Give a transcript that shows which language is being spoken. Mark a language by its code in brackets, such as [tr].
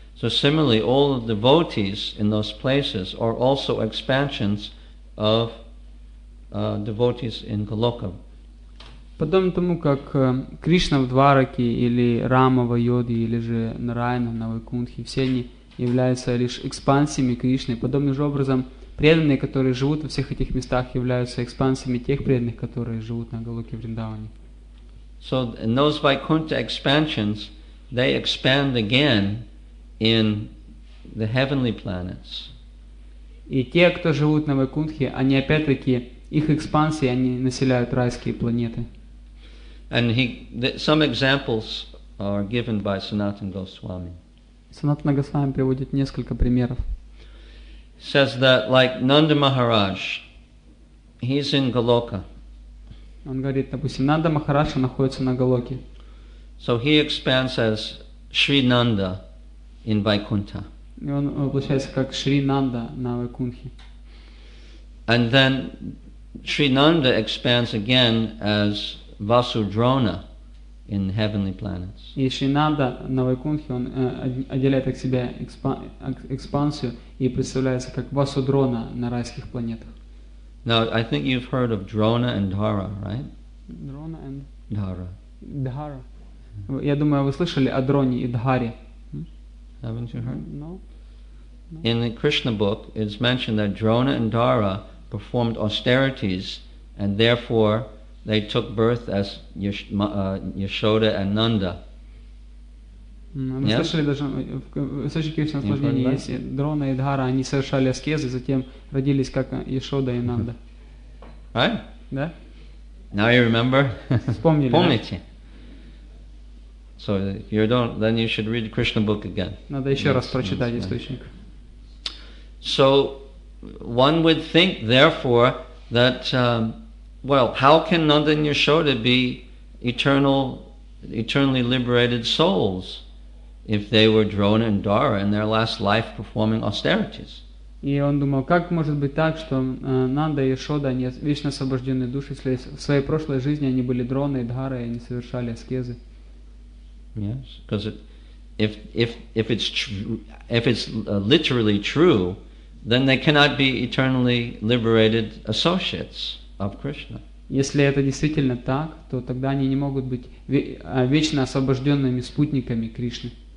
[en] So similarly, all of the devotees in those places are also expansions of devotees in Goloka. [ru] Подобно тому, как Кришна в Двараке или Рама в Айодхе или же Нараяна на Вайкунтхе, все они являются лишь экспансиями Кришны. Подобным же образом, преданные, которые живут во всех этих местах, являются экспансиями тех преданных, которые живут на Галуке Вриндаване. [en] So in those Vaikuntha expansions, they expand again in the heavenly planets. [ru] И те, кто живут на Вайкунтхе, они опять-таки, их экспансии, они населяют райские планеты. [en] And some examples are given by Sanatana Goswami. [ru] Sanatana Goswami приводит несколько примеров. [en] Says that like Nanda Maharaj, he's in Goloka. [ru] Он говорит, допустим, Нанда Махараша находится на Галоке. [en] So he expands as Шри Нанда in Вайкунтха. [ru] И он воплощается как Шри Нанда на Вайкунтхе. [en] And then Шри Нанда expands again as Васудрона in heavenly planets. [ru] И Шри Нанда на Вайкунтхе, он отделяет от себя экспансию и представляется как Васудрона на райских планетах. [en] Now, I think you've heard of Drona and Dhara, right? Drona and Dhara. Dhara. [ru] Я думаю, вы слышали о Дроне и Дхаре. [en] Haven't you heard? No. In the Krishna book, it's mentioned that Drona and Dhara performed austerities, and therefore they took birth as Yashoda and Nanda. [ru] Мы слышали даже в источнике Кришна наслаждения есть Дрона и Дхара, они совершали аскезы, затем родились как Яшода и Нанда. [en] Right? [ru] Да? [en] Now you remember? [ru] Вспомнили. Помните? [en] So if you don't, then you should read the Krishna book again. [ru] Надо еще раз прочитать источник. [en] So one would think, therefore, that well, how can Nanda and Yashoda be eternally liberated souls? If they were Drona and Dhara in their last life performing austerities. [ru] И он думал, как может быть так, что Нанда и Яшода, они вечно освобожденные души, если в своей прошлой жизни они были Дрона и Дхара, и они совершали аскезы. [en] Yes, because if it's literally true, then they cannot be eternally liberated associates of Krishna. [ru] Если это действительно так, то тогда они не могут быть вечно освобожденными спутниками Кришны.